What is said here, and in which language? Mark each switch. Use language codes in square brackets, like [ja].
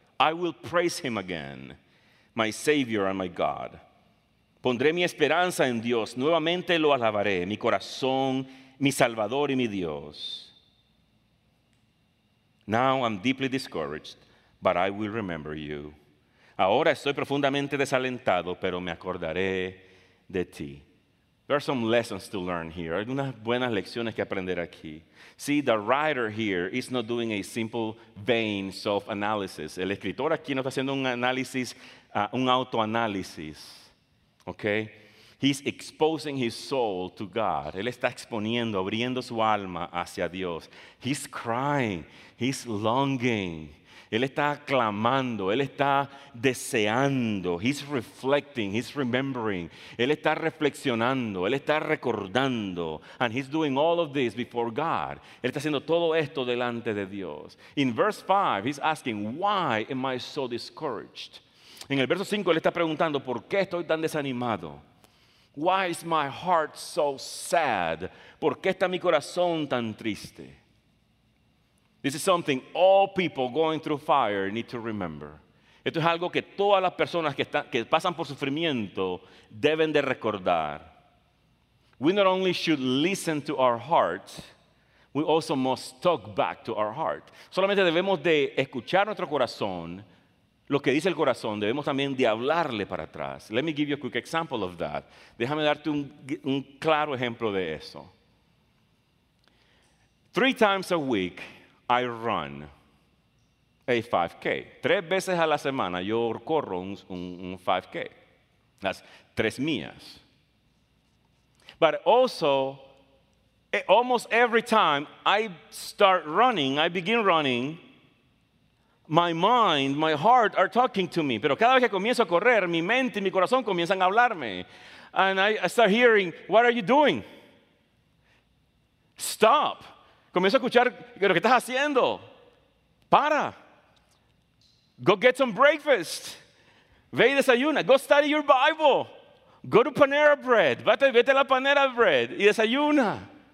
[en] I will praise Him again, my Savior and my God. [es] Pondré mi esperanza en Dios, nuevamente lo alabaré, mi corazón, mi Salvador y mi Dios. [en] Now I'm deeply discouraged, but I will remember you. [es] Ahora estoy profundamente desalentado, pero me acordaré de ti. [en] There are some lessons to learn here. [es] Algunas buenas lecciones que aprender aquí. [en] See, the writer here is not doing a simple vain self-analysis. [es] El escritor aquí no está haciendo un análisis, un autoanálisis. Okay? [en] He's exposing his soul to God. [es] Él está exponiendo, abriendo su alma hacia Dios. [en] He's crying. He's longing. [es] Él está clamando, él está deseando, [en] he's reflecting, he's remembering. [es] Él está reflexionando, él está recordando, [en] and he's doing all of this before God. [es] Él está haciendo todo esto delante de Dios. [en] In verse 5, he's asking, why am I so discouraged? [es] En el verso 5, él está preguntando, ¿por qué estoy tan desanimado? [en] Why is my heart so sad? [es] ¿Por qué está mi corazón tan triste? [en] This is something all people going through fire need to remember. [es] Esto es algo que todas las personas que pasan por sufrimiento deben de recordar. [en] We not only should listen to our heart, we also must talk back to our heart. [es] Solamente debemos de escuchar nuestro corazón, lo que dice el corazón, debemos también de hablarle para atrás. [en] Let me give you a quick example of that. [es] Déjame darte un claro ejemplo de eso. [en] 3 times a week, I run a 5K. [es] 3 veces a la semana yo corro un 5K. [en] That's 3 millas. But also, almost every time I start running, I begin running, my mind, my heart are talking to me. [es] Pero cada vez que comienzo a correr, mi mente y mi corazón comienzan a hablarme. [en] And I start hearing, what are you doing? Stop. [es] Comienzo a escuchar lo que estás haciendo. Para. [en] Go get some breakfast. [es] Ve y desayuna. [en] Go study your Bible. Go to Panera Bread. [es] Vete a la Panera Bread y desayuna.